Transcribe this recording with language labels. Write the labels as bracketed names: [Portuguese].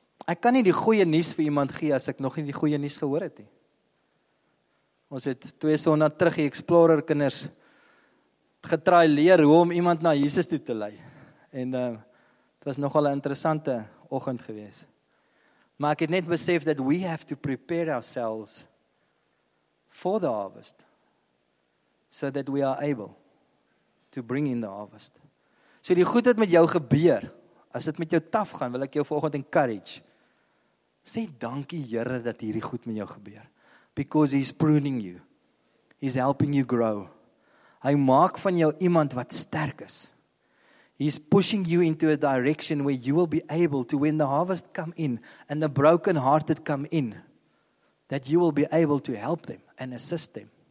[Afrikaans] Ek kan nie die goeie nuus vir iemand gee, as ek nog nie die goeie nuus gehoor het nie. Ons het 2 sondae terug die Explorer kinders getraai leer, hoe om iemand na Jesus toe te lei. En het was nogal 'n interessante oggend gewees. Maar ek het net besef, [English] that we have to prepare ourselves for the harvest, so that we are able to bring in the harvest. [Afrikaans] So die goed wat met jou gebeur, as dit met jou taf gaan, wil ek jou vanoggend encourage. Sê dankie Here dat hierdie goed met jou gebeur. [English] Because he's pruning you. He's helping you grow. [Afrikaans] Hy maak van jou iemand wat sterk is. [English] He's pushing you into a direction where you will be able to, when the harvest come in and the broken hearted come in, that you will be able to help them and assist them.